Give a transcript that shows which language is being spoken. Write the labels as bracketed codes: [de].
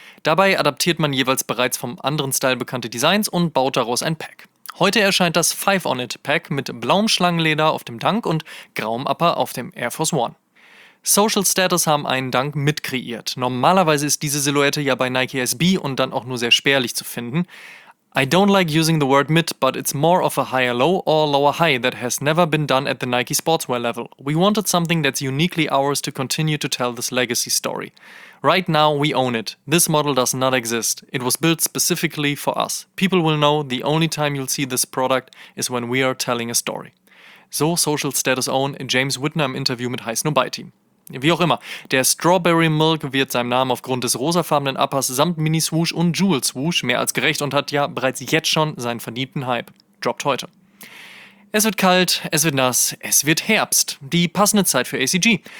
[de] Dabei adaptiert man jeweils bereits vom anderen Style bekannte Designs und baut daraus ein Pack. Heute erscheint das 5 On It Pack mit blauem Schlangenleder auf dem Dunk und grauem Upper auf dem Air Force One. Social Status haben einen Dunk mitkreiert. Normalerweise ist diese Silhouette ja bei Nike SB und dann auch nur sehr spärlich zu finden. [en] I don't like using the word mid, but it's more of a higher low or lower high that has never been done at the Nike sportswear level. We wanted something that's uniquely ours to continue to tell this legacy story. Right now we own it. This model does not exist. It was built specifically for us. People will know the only time you'll see this product is when we are telling a story. [de] So Social Status Own in James Whitner im Interview mit Heiß Nobody Team. Wie auch immer, der Strawberry Milk wird seinem Namen aufgrund des rosafarbenen Uppers samt Mini-Swoosh und Jewel-Swoosh mehr als gerecht und hat ja bereits jetzt schon seinen verdienten Hype. Droppt heute. Es wird kalt, es wird nass, es wird Herbst. Die passende Zeit für ACG.